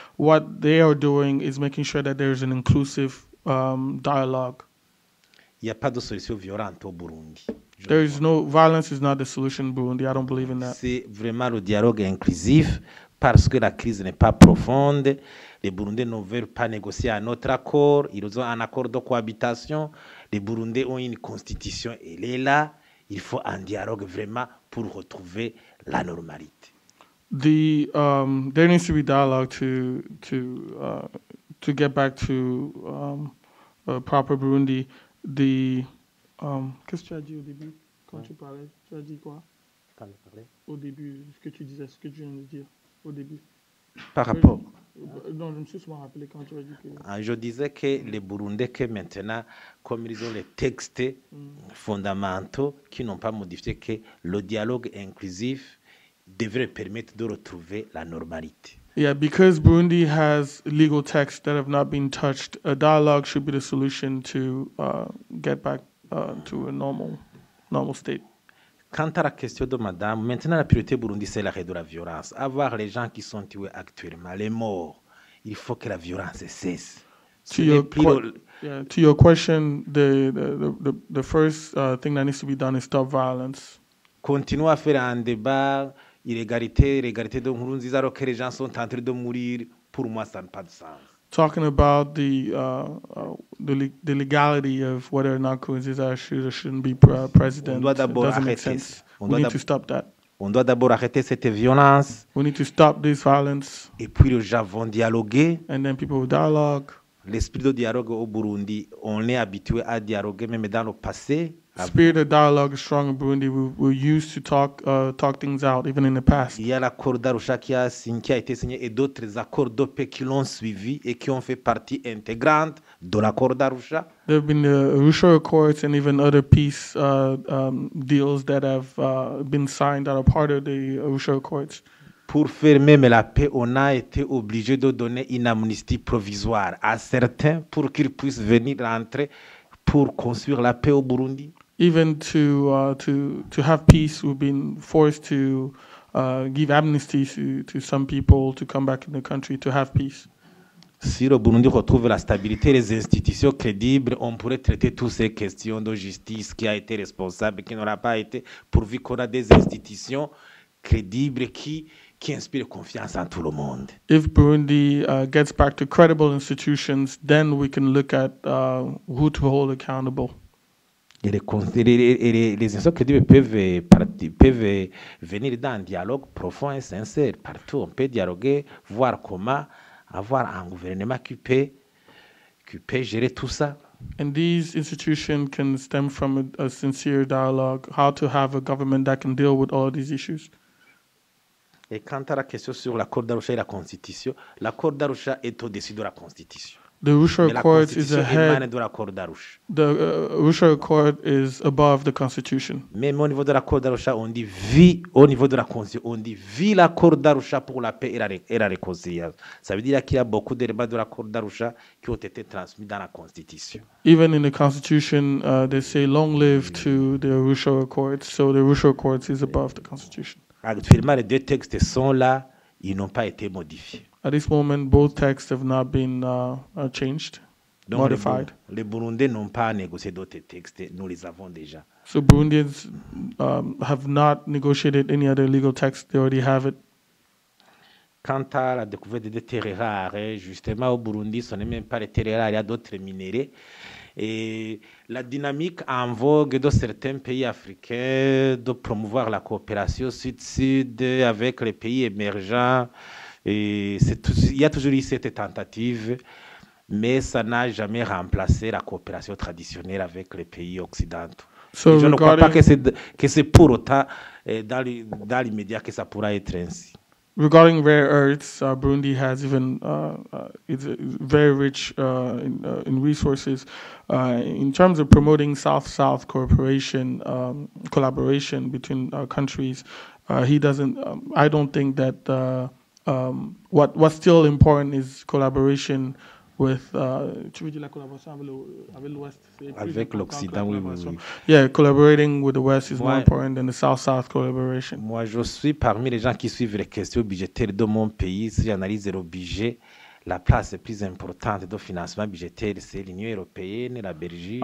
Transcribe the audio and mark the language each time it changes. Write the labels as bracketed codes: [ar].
[en] What they are doing is making sure that there is an inclusive dialogue. [fr] Il y a pas de solution violente au Burundi. [en] There is no violence is not the solution, Burundi. I don't believe in that. [fr] C'est vraiment le dialogue inclusif parce que la crise n'est pas profonde. Les Burundais ne veulent pas négocier un autre accord. Ils ont un accord de cohabitation. Les Burundais ont une constitution. Elle est là. Il faut un dialogue vraiment pour retrouver la normalité. [en] The there needs to be dialogue to get back to proper Burundi. [fr] The qu'est-ce que tu as dit au début quand tu parlais? Tu as dit quoi? Quand je parlais. Au début, ce que tu disais, ce que tu viens de dire au début. Par rapport. Non, je me suis souvent rappelé quand tu as dit que... Je disais que les Burundais, que maintenant, comme ils ont les textes fondamentaux qui n'ont pas modifié, que le dialogue inclusif devrait permettre de retrouver la normalité. [en] Yeah, because Burundi has legal texts that have not been touched, a dialogue should be the solution to get back to a normal state. [fr] Quant à la question de madame, maintenant la priorité Burundi, c'est l'arrêt de la violence. Avoir les gens qui sont tués actuellement, les morts, il faut que la violence cesse. [en] To your question, the first thing that needs to be done is stop violence. [fr] Continuer à faire un débat, l'égalité de Nkurunziza, alors que les gens sont en train de mourir, pour moi, ça n'a pas de sens. [en] Talking about the legality of whether or not Nkurunziza should or shouldn't be president doesn't make sense. We need to stop that. [fr] On doit d'abord arrêter cette violence. [en] We need to stop this violence. [fr] Et puis les gens vont dialoguer. [en] And then people will dialogue. [fr] L'esprit de dialogue au Burundi, on est habitué à dialoguer même dans le passé. [en] Spirit of dialogue is strong in Burundi. We used to talk things out even in the past. [fr] Il y a l'accord d'Arusha qui a été signé et d'autres accords de paix qui l'ont suivi et qui ont fait partie intégrante de l'accord d'Arusha. [en] There have been the Arusha Accords and even other peace deals that have been signed that are part of the Arusha Accords. [fr] Pour faire même la paix, on a été obligé de donner une amnistie provisoire à certains pour qu'ils puissent venir rentrer pour construire la paix au Burundi. [en] Even to have peace, we've been forced to give amnesty to some people to come back in the country to have peace. [fr] Si le Burundi retrouve la stabilité et les institutions crédibles, on pourrait traiter toutes ces questions de justice, qui a été responsable, qui n'aura pas été, pourvu qu'on a des institutions crédibles qui inspirent confiance en tout le monde. [en] If Burundi gets back to credible institutions, then we can look at who to hold accountable. [fr] Et les institutions crédibles peuvent venir dans un dialogue profond et sincère. Partout, on peut dialoguer, voir comment avoir un gouvernement qui peut gérer tout ça. [en] And these institutions can stem from a sincere dialogue, how to have a government that can deal with all these issues. [fr] Et quant à la question sur l'accord d'Arusha et la constitution, l'accord d'Arusha est au-dessus de la constitution. [en] The Arusha Accord is ahead. [fr] Émane de l'accord d'Arusha. [en] The Arusha Accord is above the constitution. [fr] Même au niveau de l'accord d'Arusha, on dit vie. Au niveau de la constitution, on dit vie l'accord d'Arusha pour la paix et la réconciliation. Ça veut dire qu'il y a beaucoup d'éléments de l'accord d'Arusha qui ont été transmis dans la constitution. [en] Even in the constitution, they say long live to the Arusha Accord. So the Arusha Accord is above the constitution. [fr] Actuellement, les deux textes sont là, ils n'ont pas été modifiés. [en] At this moment, both texts have not been changed, [fr] donc [en] modified. [fr] Les Burundais n'ont pas négocié d'autres textes, nous les avons déjà. [en] So Burundians have not negotiated any other legal text, they already have it. [fr] Quant à la découverte des terres rares, justement au Burundi, ce n'est même pas les terres rares, il y a d'autres minéraux. Et la dynamique en vogue de certains pays africains de promouvoir la coopération sud-sud avec les pays émergents Il y a toujours eu cette tentative, mais ça n'a jamais remplacé la coopération traditionnelle avec les pays occidentaux. [en] So [fr] je ne crois pas que c'est pour autant dans l'immédiat que ça pourra être ainsi. [en] Regarding rare earths, Burundi has even it's very rich in resources. In terms of promoting South-South cooperation, collaboration between countries, he doesn't. I don't think that what's still important is collaboration with. [fr] Tu veux dire la collaboration avec l'Ouest? Avec l'Occident, oui, oui. [en] Yeah, collaborating with the West is more important than the South-South collaboration. [fr] Moi, je suis parmi les gens qui suivent les questions budgétaires de mon pays. Si j'analyse le budget, la place la plus importante de financement budgétaire, c'est l'Union européenne, la Belgique.